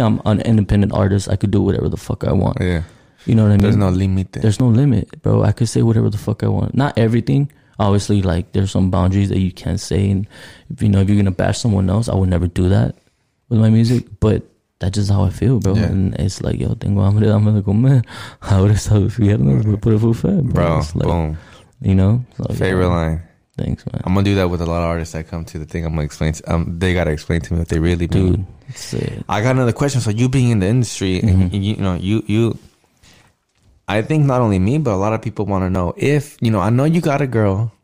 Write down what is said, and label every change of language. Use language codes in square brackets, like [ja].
[en] I'm an independent artist. I could do whatever the fuck I want. Yeah. You know what I mean? There's no limit. There's no limit, bro. I could say whatever the fuck I want. Not everything. Obviously, like, there's some boundaries that you can't say. And if, you know, if you're going to bash someone else, I would never do that with my music. But that's just how I feel, bro. Yeah. And it's like, yo, [es] tengo hambre, dame de comer. Ahora sabes, viernes, voy por el buffet. [en] Bro, like, boom. You know? So, favorite, yeah, line. Thanks, man. I'm gonna do that with a lot of artists that come to the thing. I'm gonna explain to, they gotta explain to me what they really mean. Dude, say it. I got another question. So you being in the industry, and, mm-hmm, you know, I think not only me, but a lot of people want to know if, you know, I know you got a girl.